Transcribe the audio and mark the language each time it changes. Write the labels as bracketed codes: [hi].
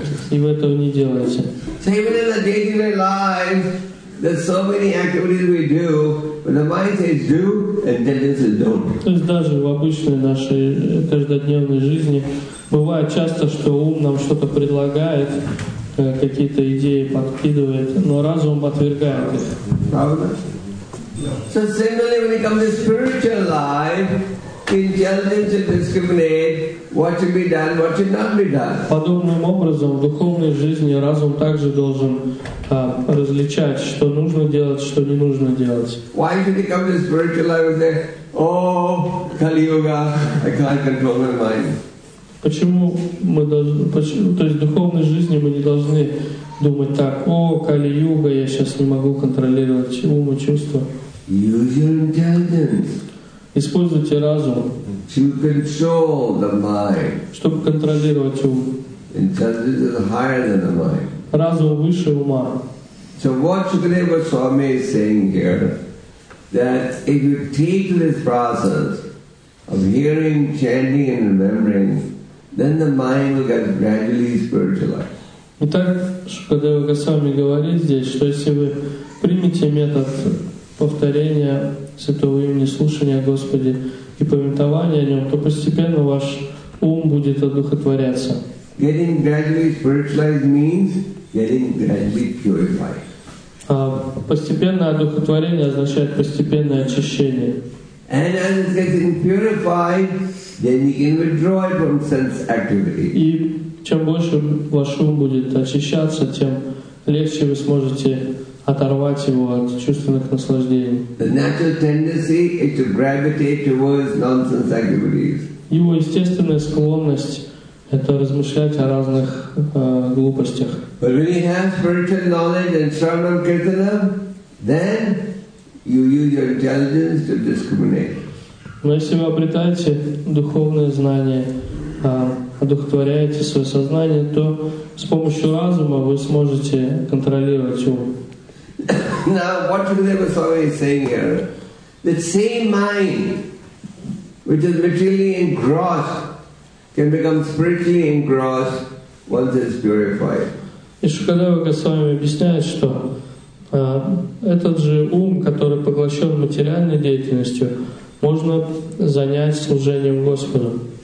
[ru] И вы этого не делаете. То есть даже в обычной нашей каждодневной жизни бывает часто, что ум нам что-то предлагает, какие-то идеи подкидывает, но разум отвергает их. [en] So similarly, when it comes to spiritual life, intelligence should discriminate what should be done, what should not be done. [ru] Подобным образом в духовной жизни разум также должен различать, что нужно делать, что не нужно делать. [en] Why should it come to spiritual life and say, "Oh, Kali Yuga, I can't control my mind"? [ru] То есть в духовной жизни мы не должны думать так, о, Кали-юга, я сейчас не могу контролировать ум и чувства. [en] Use your intelligence. [ru] Используйте разум. [en] To control the mind. [ru] Чтобы контролировать ум. [en] Intelligence is higher than the mind. [ru] Разум выше ума. [en] So what Shukadeva Swami is saying here, that if you take this process of hearing, chanting and remembering, then the mind will get gradually spiritualized. [ru] Итак, Шукадева Госвами говорит здесь, что если вы примете метод повторения святого имени, слушания о Господе и памятования о Нем, то постепенно ваш ум будет одухотворяться. [en] Getting gradually spiritualized means getting gradually purified. [ru] Постепенное одухотворение означает постепенное очищение. [en] And as it gets purified, then you can withdraw from sense activity. [ru] И чем больше ваш ум будет очищаться, тем легче вы сможете оторвать его от чувственных наслаждений. [en] The natural tendency is to gravitate towards nonsense activities. [ru] Его естественная склонность это размышлять о разных глупостях. [en] But when you have spiritual knowledge and Sravanam Kirtanam, then you use your intelligence to discriminate. [ru] Но если вы обретаете духовное знание, одухотворяете свое сознание, то с помощью разума вы сможете контролировать ум. [en] Now, what Shukadeva Swami is saying here, the same mind which is materially engrossed can become spiritually engrossed once it is purified. [ru] И Шукадева Госвами объясняет, что этот же ум, который поглощен материальной деятельностью, можно занять служением Господу.